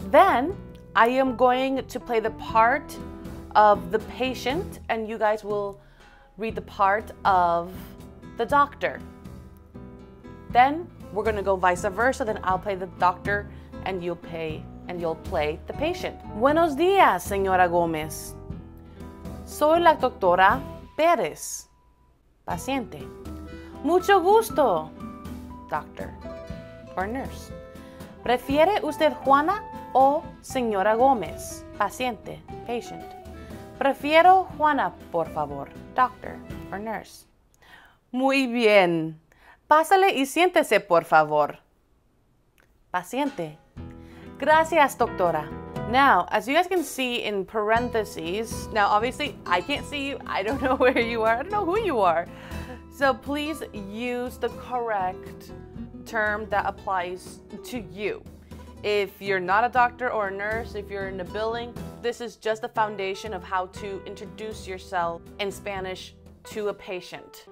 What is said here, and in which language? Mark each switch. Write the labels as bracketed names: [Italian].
[English] Then I am going to play the part of the patient and you guys will read the part of the doctor. Then we're gonna go vice versa, then I'll play the doctor and you'll play the patient. [Spanish] Buenos dias, señora Gómez. Soy la doctora Pérez, paciente. Mucho gusto, [English] doctor or nurse. [Spanish] ¿Prefiere usted Juana o señora Gómez, paciente, patient? Prefiero Juana, por favor, [English] doctor or nurse. [Spanish] Muy bien. Pásale y siéntese, por favor, paciente. Gracias, doctora. [English] Now, as you guys can see in parentheses, now obviously I can't see you. I don't know where you are. I don't know who you are. So please use the correct term that applies to you. If you're not a doctor or a nurse, if you're in a billing, this is just the foundation of how to introduce yourself in Spanish to a patient.